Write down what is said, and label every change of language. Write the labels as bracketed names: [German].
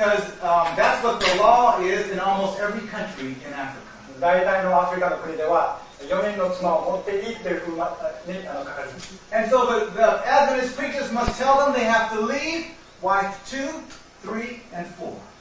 [English] And because that's what the law is in almost every country in Africa. [Japanese] 大体のアフリカの国では 4人の妻を持っていいっていうふうに書かれています。 [English] And so the Adventist preachers must tell them they have to leave wife 2, 3, and 4.